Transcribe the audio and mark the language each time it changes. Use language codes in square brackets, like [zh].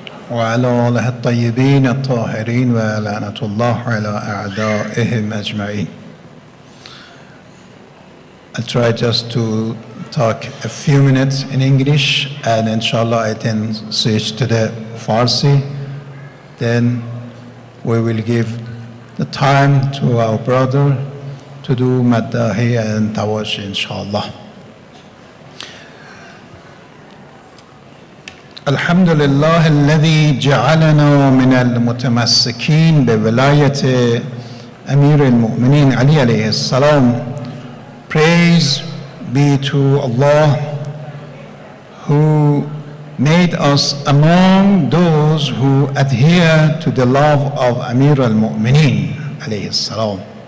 [ar] وعلى آله الطيبين الطاهرين ولعنة الله على أعدائهم أجمعين. [en] I'll try just to talk a few minutes in English and inshallah I then switch to the Farsi. Then we will give the time to our brother to do maddahi and tawash inshallah. [ar] الحمد لله الذي جعلنا من المتمسكين بولاية أمير المؤمنين علي عليه السلام. [en] Praise be to Allah who made us among those who adhere to the love of Amir al-Mu'mineen [ar] عليه السلام.